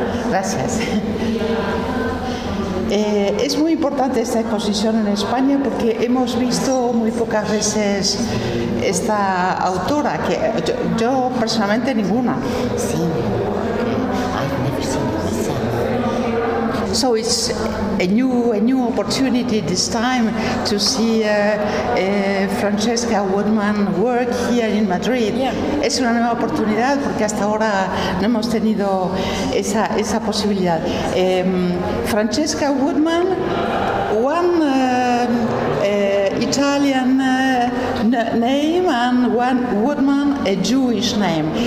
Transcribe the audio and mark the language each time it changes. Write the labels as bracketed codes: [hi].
[es] Gracias. Es muy importante esta exposición en España porque hemos visto muy pocas veces esta autora, que yo personalmente ninguna. Sí. [en] So it's a new opportunity this time to see Francesca Woodman work here in Madrid. Yeah. [es] Es una nueva oportunidad porque hasta ahora no hemos tenido esa posibilidad. [en] Francesca Woodman, one Italian name and one Woodman, a Jewish name.